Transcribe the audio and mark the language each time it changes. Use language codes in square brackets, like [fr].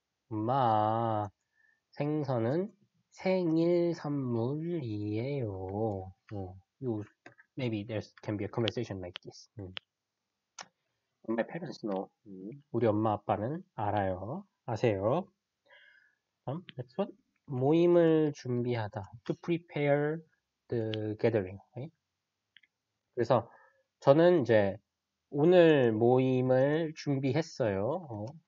[ko] Ma, 생선은 생일 선물이에요. [en] Maybe there can be a conversation like this. My parents know. [ko] 우리 엄마 아빠는 알아요. 아세요? 다음, next one. 모임을 준비하다. [en] To prepare the gathering. Right? [ko] 그래서 저는 이제 오늘 모임을 준비했어요.